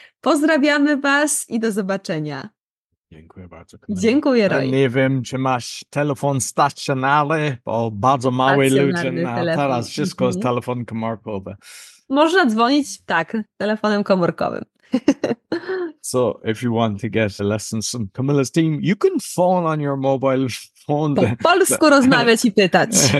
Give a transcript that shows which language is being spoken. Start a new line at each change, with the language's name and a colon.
Polish: Pozdrawiamy Was i do zobaczenia. Dziękuję bardzo. Dziękuję, Roy. Nie wiem, czy masz telefon stacjonarny, bo bardzo mały ludzie, a teraz wszystko jest telefon komórkowy. Można dzwonić, tak, telefonem komórkowym.
English: So, if you want to get a lesson from Kamila's team, you can phone on your mobile phone.
Polish: Po polsku rozmawiać i pytać.